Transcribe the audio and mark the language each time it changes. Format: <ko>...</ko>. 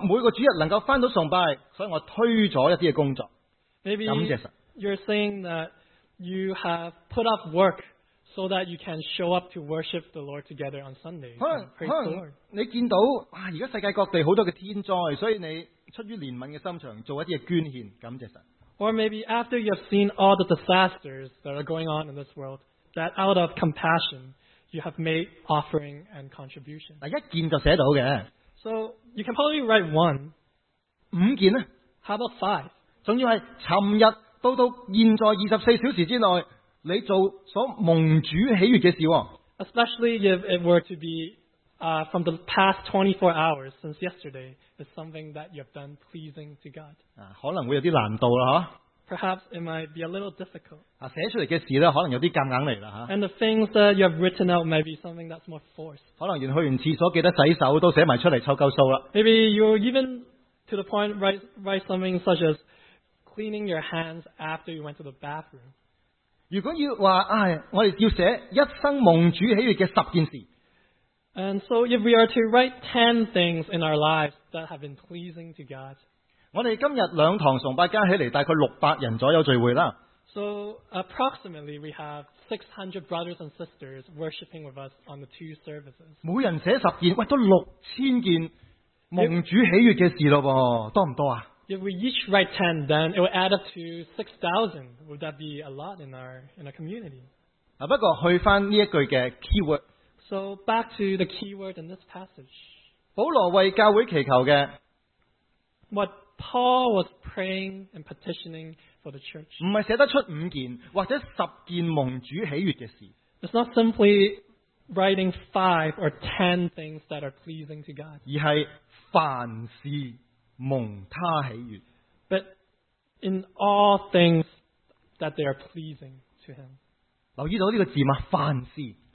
<zh>可能你说,我为了每个主日能够回到崇拜,所以我推了一些工作。</zh> <en>Maybe you're saying that you have put up work so that you can show up to worship the Lord together on Sunday.</en> <zh>可能你见到现在世界各地很多的天灾,所以你出于怜悯的心肠做一些捐献, 感谢神。</zh> <en>Or maybe after you've seen all the disasters that are going on in this world, that out of compassion, you have made offering and contribution.</en> <zh>一件就写到的。</zh> <en>So you can probably write one.</en> <zh>五件呢?</zh> <en>How about five?</en> <zh>还要是昨天到现在24小时之内, 你做所蒙主喜悦的事。</zh> <en>Especially if it were to be from the past 24 hours since yesterday is something that you have done pleasing to God.</en> <zh>可能会有些难度啦,</zh> <en>perhaps it might be a little difficult.</en> <zh>写出来的事呢,</zh> <en>and the things that you have written out might be something that's more forced.</en> <zh>可能连去完厕所记得洗手都写出来凑够数了,</zh> <en>maybe you even to the point write something such as cleaning your hands after you went to the bathroom.</en> <zh>如果要说, 哎, 我们要写一生蒙主喜悦的十件事,</zh> <en>and so if we are to write 10 things in our lives that have been pleasing to God,</en> <zh>我们今天两堂崇拜加起来大概600人左右聚会啦,</zh> <en>so approximately we have 600 brothers and sisters worshipping with us on the two services.</en> <zh>每人写10件, 喂, 都6000件蒙主喜悦的事了, 多不多啊?</zh> <en>If we each write 10, then it will add up to 6,000. Would that be a lot in our community?</en> <zh>不过去回这一句的 keyword,</zh> <en>so back to the keyword in this passage.</en> <zh>保罗为教会祈求的,</zh> <en>what Paul was praying and petitioning for the church,</en> <zh>不是写得出5件或者10件蒙主喜悦的事,</zh> <en>it's not simply writing 5 or 10 things that are pleasing to God,</en> <zh>而是凡事,</zh> <en>but in all things that they are pleasing to him.</en> <zh>留意到这个字吗?凡事.</zh>